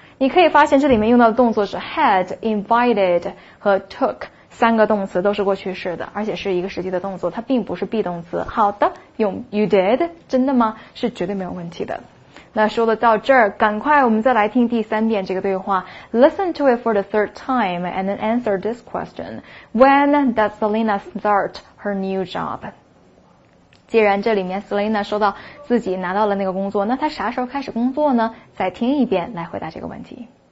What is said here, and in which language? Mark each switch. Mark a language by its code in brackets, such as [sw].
[zh] 你可以发现这里面用到的动作是 had， invited 和 took，三个动词都是过去式的，而且是一个实际的动作，它并不是 be 动词。好的，用 [en] you did， [zh] 真的吗？是绝对没有问题的。那说了到这儿，赶快我们再来听第三遍这个对话。 [en] Listen to it for the third time and then answer this question. When does Selena start her new job? [zh] 既然这里面 Selena 说到自己拿到了那个工作，那她啥时候开始工作呢？再听一遍来回答这个问题。